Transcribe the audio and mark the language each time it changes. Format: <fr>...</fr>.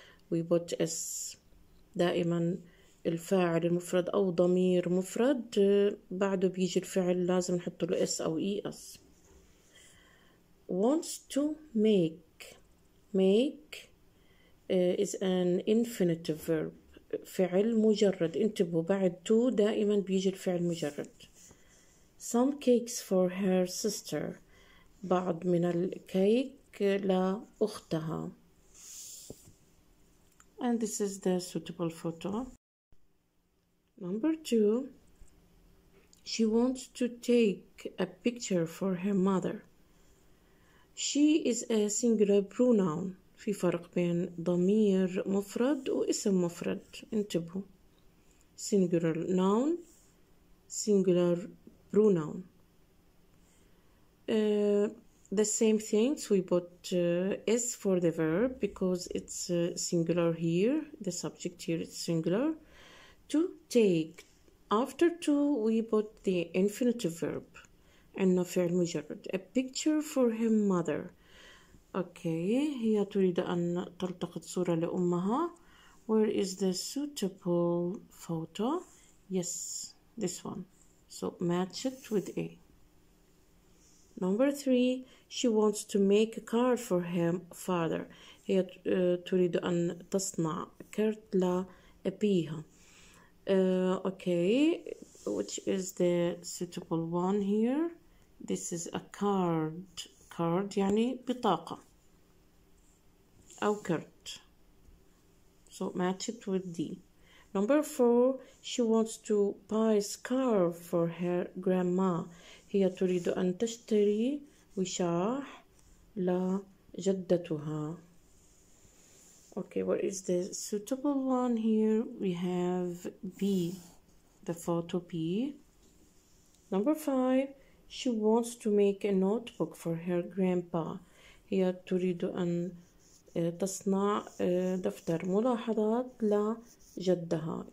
<en>We put s</en> <ar>دائما الفاعل المفرد أو ضمير مفرد بعده بيجي الفعل لازم نحط له s أو es.</ar> <en>Wants to make. Make is an infinitive verb.</en> <ar>فعل مجرد. انتبهوا بعد to دائما بيجي الفعل مجرد.</ar> <en>Some cakes for her sister.</en> <ar>بعض من الكيك لأختها.</ar> <en>And this is the suitable photo. Number two. She wants to take a picture for her mother. She is a singular pronoun.</en> <ar>في فرق بين ضمير مفرد واسم مفرد. انتبهوا.</ar> <en>Singular noun. Singular pronoun. The same things. We put s for the verb because it's singular here. The subject here is singular. To take. After to, we put the infinitive verb.</en> <ar>عنا فعل مجرد.</ar> <en>A picture for her mother. Okay.</en> <ar>هي تريد أن تلتقط صورة لأمها.</ar> <en>Where is the suitable photo? Yes. This one. So match it with A. Number three. She wants to make a card for her father.</en> <ar>هي تريد أن تصنع كرت لأبيها.</ar> <en>Okay. Which is the suitable one here? This is a card.</en> <ar>Card يعني بطاقة أو كرت.</ar> <en>So match it with D. Number four. She wants to buy a scarf for her grandma.</en> <ar>هي تريد أن تشتري وشاح لجدتها.</ar> <en>Okay, what is the suitable one here? We have B, the photo B. Number five. She wants to make a notebook for her grandpa.</en> <ar>هي تريد أن تصنع دفتر ملاحظات لجدها.</ar>